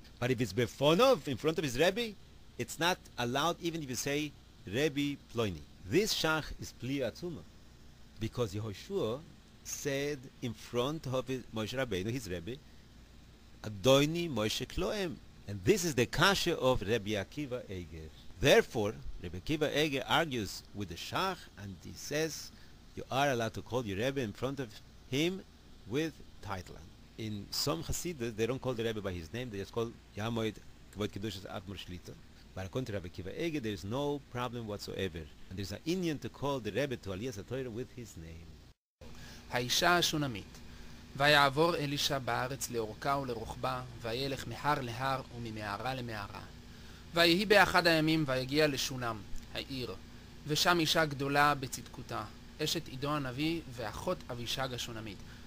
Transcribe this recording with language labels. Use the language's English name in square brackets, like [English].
[English] But if it's בפונוב, in front of his רבי, it's not allowed even if you say רבי פלויני. This שח is פליא עצומה. Because יהושע said in front of מוישה רבינו, his רבי, [Hebrew] אדוני מוישה כלואם. [English] And this is the kasha of Rabbi Akiva Eger. Therefore, Rabbi Akiva Eger argues with the Shach and he says, you are allowed to call your Rebbe in front of him with title. In some Hasidus, they don't call the Rebbe by his name, they just call Yamoid Kvod Kedushas Admor Shlito. But according to Rabbi Akiva Eger, there is no problem whatsoever. And there's an Indian to call the Rebbe to Aliyas HaTorah with his name. Haisha Shunamit. [Hebrew] ויעבור אלישע בארץ לאורכה ולרוחבה, וילך מהר להר וממערה למערה. ויהי באחד הימים ויגיע לשונם, העיר, ושם אישה גדולה בצדקותה, אשת עידו הנביא ואחות אבישג השונמית.